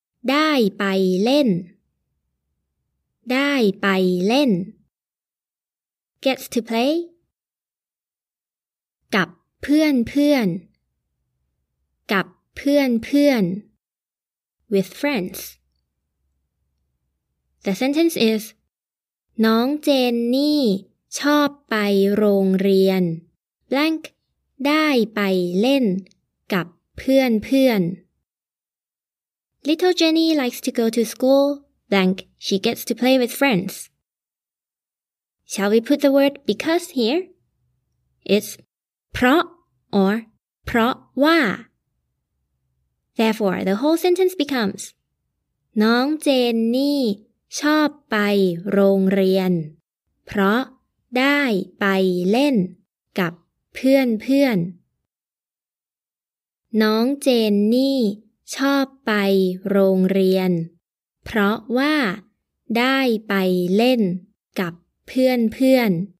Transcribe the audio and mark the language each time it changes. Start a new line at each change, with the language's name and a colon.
Thai: ได้ไปเล่นได้ไปเล่น
English: gets to play
Thai: กับเพื่อนเพื่อนกับเพื่อนเพื่อน
English: with friendsThe sentence is
Thai: น้องเจนนี่ชอบไปโรงเรียน blank ได้ไปเล่นกับเพื่อนเพื่อน
English: Little Jenny likes to go to school blank she gets to play with friends Shall we put the word because here? It's เพราะ or เพราะว่า Therefore, the whole sentence becomes
Thai: น้องเจนนี่ชอบไปโรงเรียนเพราะได้ไปเล่นกับเพื่อนเพื่อนน้องเจนนี่ชอบไปโรงเรียนเพราะว่าได้ไปเล่นกับเพื่อนเพื่อน